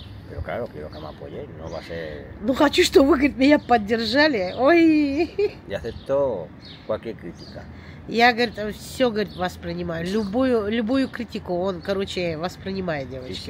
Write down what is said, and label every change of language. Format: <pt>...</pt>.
<es>Pero claro, quiero que me apoye, no va a ser...</es> <ru>Ну хочу, чтобы вы, говорит, меня поддержали. Ой. Я</ru> <es>acepto cualquier crítica.</es> <ru>Я, говорит, все, говорит, воспринимаю. Любую критику он, короче, воспринимает, девочки.</ru>